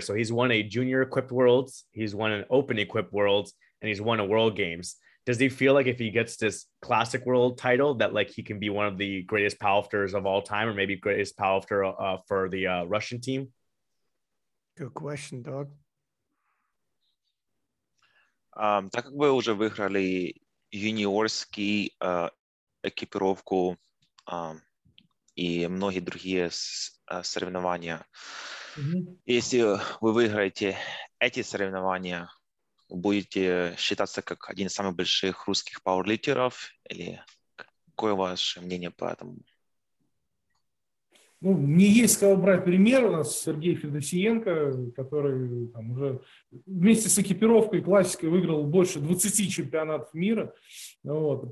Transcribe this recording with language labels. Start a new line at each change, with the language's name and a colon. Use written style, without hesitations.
English: So he's won a junior equipped worlds, he's won an open equipped worlds, and he's won a world games. Does he feel like if he gets this classic world title that like he can be one of the greatest powerlifters of all time, or maybe greatest powerlifter for the Russian team? Good question, dog.
Russian: Так как
Ukrainian: ви вже виграли юніорські екіпіровку і многі другі соревнования. Якщо ви виграєте ці
Russian: соревнования, будете считаться как один из самых больших русских пауэрлифтеров? Или какое ваше мнение по этому? Ну, мне есть кого брать пример. У нас Сергей Федосиенко, который там уже вместе с экипировкой классикой выиграл больше 20 чемпионатов мира. Вот.